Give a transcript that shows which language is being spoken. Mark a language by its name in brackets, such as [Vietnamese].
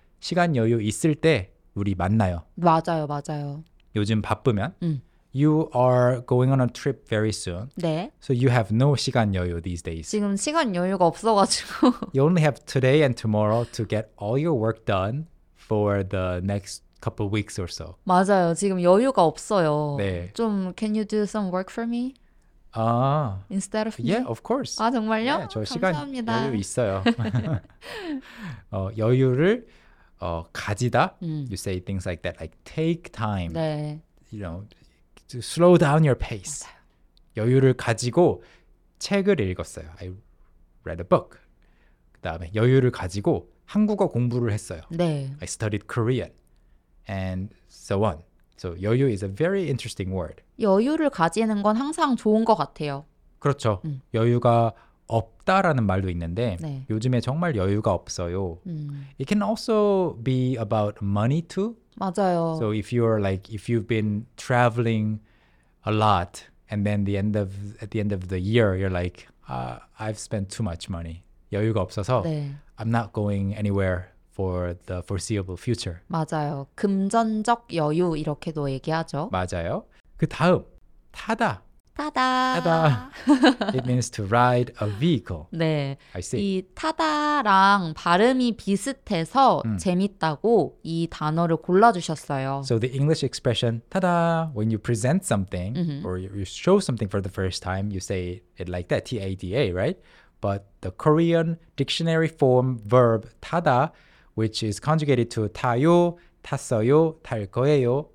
[Korean] 시간 여유 있을 때 우리 만나요. 맞아요, 맞아요. 요즘 바쁘면 [English] you are going on a trip very soon. [Korean] 네. [English] So you have no 시간 여유 these days. [Korean] 지금 시간 여유가 없어가지고. [English] You only have today and tomorrow to get all your work done for the next couple of weeks or so. [Korean] 맞아요. 지금 여유가 없어요. 네. [English] 좀 can you do some work for me? 아. Instead of me? Yeah, of course. [Korean] 아 정말요? 네, 저 감사합니다. 시간 여유 있어요. 여유를 가지다. [English] You say things like that, like take time. [Korean] 네. [English] You know, to slow down your pace. [Korean] 맞아요. 여유를 가지고 책을 읽었어요. [English] I read a book. [Korean] 그다음에 여유를 가지고 한국어 공부를 했어요. 네. [English] I studied Korean and so on. So 여유 is a very interesting word. [Korean] 여유를 가지는 건 항상 좋은 것 같아요. 그렇죠. 여유가 없다라는 말도 있는데 네. 요즘에 정말 여유가 없어요. [English] It can also be about money too. [Korean] 맞아요. [English] So if you're like if you've been traveling a lot and then the end of at the end of the year you're like I've spent too much money. [Korean] 여유가 없어서 네. [English] I'm not going anywhere for the foreseeable future. [Korean] 맞아요. 금전적 여유 이렇게도 얘기하죠. 맞아요. 그 다음 타다. 타다. [English] 타다. It means to ride a vehicle. [Korean] 네. [English] I see. [Korean] 이 타다랑 발음이 비슷해서 재밌다고 이 단어를 골라주셨어요. [English] So the English expression, 타다, when you present something or you show something for the first time, you say it like that, T-A-D-A, right? But the Korean dictionary form verb, 타다, which is conjugated to 타요, 탔어요, 탈 거예요.